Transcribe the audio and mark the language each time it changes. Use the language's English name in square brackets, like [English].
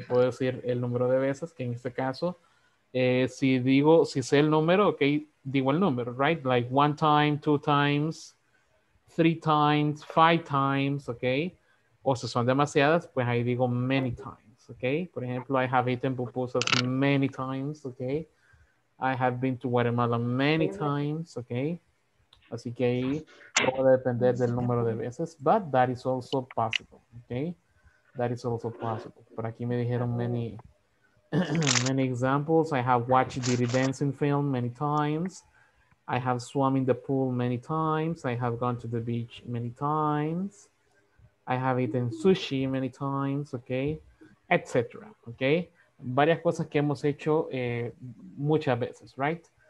[Spanish] Puedo decir el número de veces, que en este caso, si sé el número, okay, digo el número, right? [English] Like one time, two times, three times, five times, okay? [Spanish] O si son demasiadas, pues ahí digo many times. [English] Okay, for example, I have eaten pupusas many times, okay? I have been to Guatemala many times, okay? [Spanish] Así que ahí puede depender del número de veces, [English] but that is also possible, [Spanish] okay? [English] That is also possible. [Spanish] Por aquí me dijeron [English] many, many examples. I have watched Diddy dancing film many times. I have swum in the pool many times. I have gone to the beach many times. I have eaten sushi many times, okay? Etcétera, ok. [Spanish] Varias cosas que hemos hecho muchas veces, right?